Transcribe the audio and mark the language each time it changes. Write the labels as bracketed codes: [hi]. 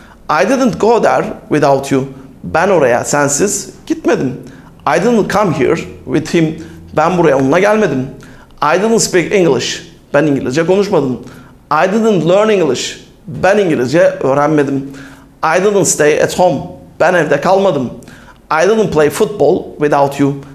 [en] I didn't go there without you. [tr] Ben oraya sensiz gitmedim. [en] I didn't come here with him. [tr] Ben buraya onunla gelmedim. [en] I didn't speak English. [tr] Ben İngilizce konuşmadım. [en] I didn't learn English. [tr] Ben İngilizce öğrenmedim. [en] I didn't stay at home. [tr] Ben evde kalmadım. [en] I didn't play football without you.